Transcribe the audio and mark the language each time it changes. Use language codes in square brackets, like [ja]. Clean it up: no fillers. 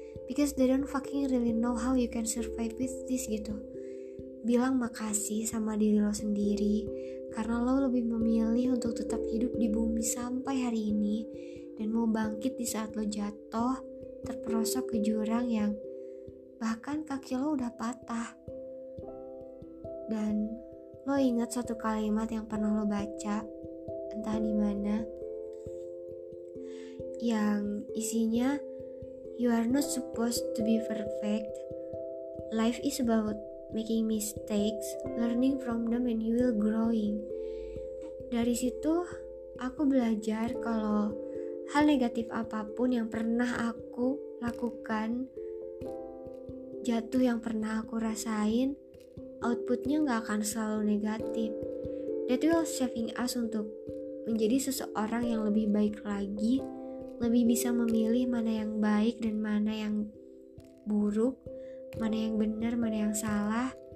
[en] Because they don't fucking really know how you can survive with this gitu. [id] Bilang makasih sama diri lo sendiri karena lo lebih memilih untuk tetap hidup di bumi sampai hari ini dan mau bangkit di saat lo jatuh, terperosok ke jurang yang bahkan kaki lo udah patah. Dan lo ingat satu kalimat yang pernah lo baca entah di mana, yang isinya [en] you are not supposed to be perfect. Life is about making mistakes, learning from them, and you will growing. [id] Dari situ aku belajar kalau hal negatif apapun yang pernah aku lakukan, jatuh yang pernah aku rasain, outputnya gak akan selalu negatif. [en] That will shaping us [id] untuk menjadi seseorang yang lebih baik lagi, lebih bisa memilih mana yang baik dan mana yang buruk, mana yang benar, mana yang salah.